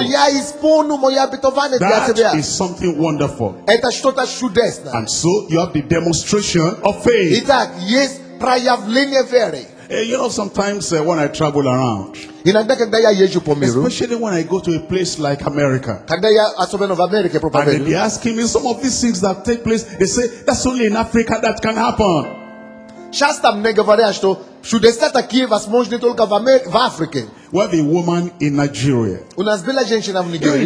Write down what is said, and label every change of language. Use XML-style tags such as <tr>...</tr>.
<ru>So я исполню мое обетование для тебя.</ru> <en>That is something wonderful.</en> <ru>Это что-то чудесное.</ru> <en>And so you have the demonstration of faith.</en> <ru>Итак, есть проявление веры.</ru> <en>You know, sometimes when I travel around, in America, especially when I go to a place like America, and they be asking me some of these things that take place, they say, that's only in Africa that can happen.</en> <ru>Часто мне говорят, что чудеса такие возможны только в Африке.</ru> <en>We have a woman in Nigeria.</en> <ru>У нас была женщина в Нигерии.</ru>